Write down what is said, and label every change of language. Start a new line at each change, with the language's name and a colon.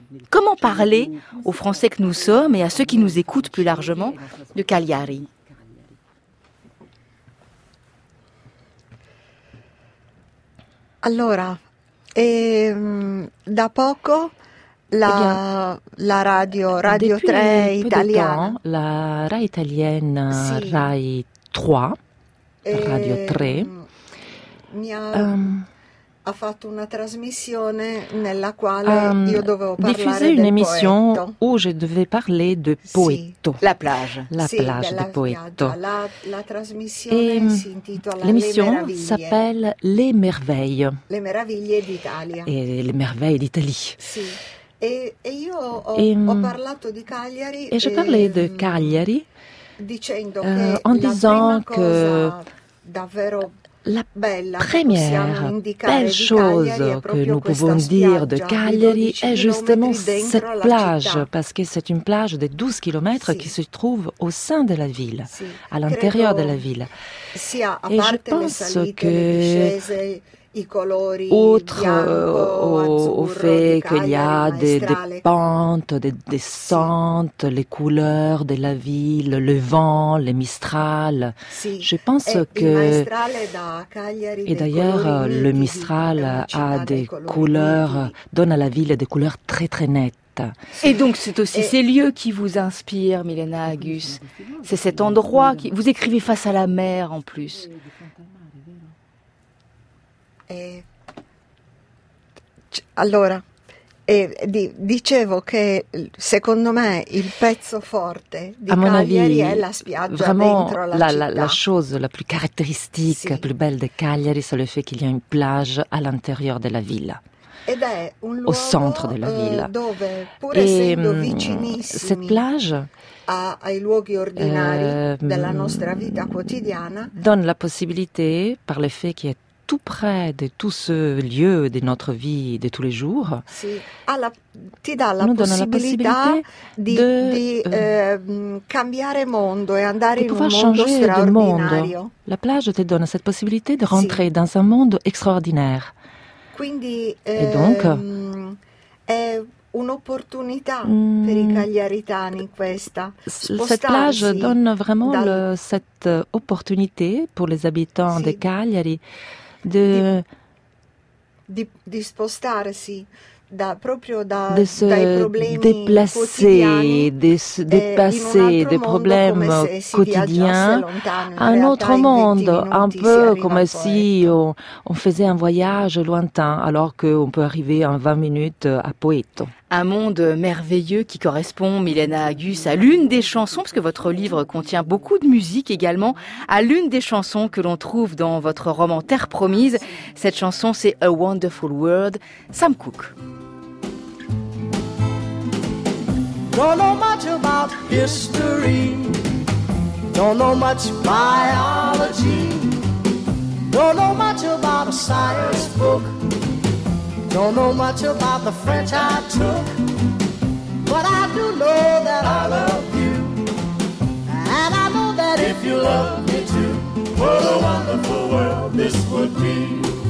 French: Comment parler aux Français que nous sommes et à ceux qui nous écoutent plus largement de Cagliari ?
Italian: Allora, da poco la, la radio, Radio 3 italiana.
French: Depuis la RAI italienne, si.
Italian: RAI 3, Radio 3. Mi ha, ha fatto una trasmissione nella quale io dovevo parlare del Poeto.
French: Una émission où je devais parler de Poeto. Si. La plage. La si, plage de Poeto.
Italian: La, la trasmissione si intitola
French: l'émission
Italian: Le Meraviglie.
French: S'appelle Les Merveilles.
Italian: Le Meraviglie d'Italia.
French: Et les Merveilles d'Italie.
Italian: Si. E io ho, et, ho parlato di Cagliari.
French: Et je parlais de Cagliari.
Italian: Dicendo che
French: en la disant
Italian: prima que cosa davvero
French: la première belle chose que nous pouvons dire de Cagliari est justement cette plage, parce que c'est une plage de 12 kilomètres si. Qui se trouve au sein de la ville, si. À l'intérieur
Italian: credo
French: de la ville.
Italian: Sia, a parte
French: et je pense que, outre au fait qu'il y a des pentes, des descentes, les couleurs de la ville, le vent, les mistral, je pense que. Et d'ailleurs, le mistral a des couleurs, donne à la ville des couleurs très très nettes. Et donc, c'est aussi ces lieux qui vous inspirent, Milena Agus. C'est cet endroit qui. Vous écrivez face à la mer en plus.
Italian: Allora, dicevo che secondo me il pezzo forte di
French: à mon avis,
Italian: Cagliari è la spiaggia
French: vraiment
Italian: dentro la, la città.
French: La chose la plus caractéristique, si. La plus belle de Cagliari, c'est le fait qu'il y a une plage à l'intérieur de la ville.
Italian: Ed è un luogo,
French: au centre de la ville.
Italian: Dove, pur essendo vicinissimi
French: cette plage,
Italian: a, ai luoghi ordinari della nostra vita quotidiana,
French: donne la possibilité, par le fait qu'il y a tout près de tout ce lieu de notre vie de tous les jours,
Italian: si. Alla, ti dà
French: la nous donne la possibilité de
Italian: cambiare mondo e andare
French: de
Italian: in
French: pouvoir
Italian: un
French: changer
Italian: mondo
French: de monde. La plage te donne cette possibilité de rentrer si. Dans un monde extraordinaire.
Italian: Quindi,
French: et donc,
Italian: è un'opportunità per i cagliaritani questa.
French: Cette plage donne vraiment dal... le, cette opportunité pour les habitants si. De Cagliari.
Italian: Di spostarsi da, proprio da, dai problemi
French: déplacer,
Italian: quotidiani
French: de passer des problèmes quotidiens à un autre monde, un peu comme si on faisait un voyage lointain alors qu'on peut arriver en 20 minutes à Poeto. Un monde merveilleux qui correspond, Milena Agus, à l'une des chansons, parce que votre livre contient beaucoup de musique également, à l'une des chansons que l'on trouve dans votre roman Terre Promise. Cette chanson, c'est A Wonderful World, Sam Cooke.
English: Don't know much about history. Don't know much biology. Don't know much about a science book. Don't know much about the French I took, but I do know that I love you, and I know that if you love me too, what a wonderful world this would be.